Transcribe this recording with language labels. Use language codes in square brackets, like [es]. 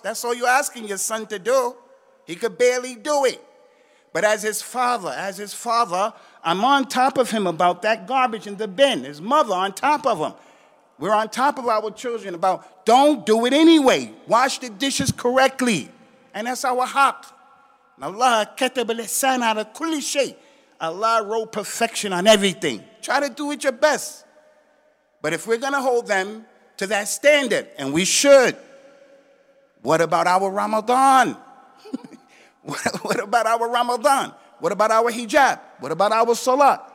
[en] That's all you're asking your son to do. He could barely do it. But as his father, I'm on top of him about that garbage in the bin. His mother on top of him. We're on top of our children about don't do it anyway. Wash the dishes correctly. And that's our haq. [ar] Allah كتب الإحسان على كل شيء. [en] Allah wrote perfection on everything. Try to do it your best. But if we're going to hold them to that standard, and we should, what about our Ramadan? What about our Ramadan? What about our hijab? What about our salat?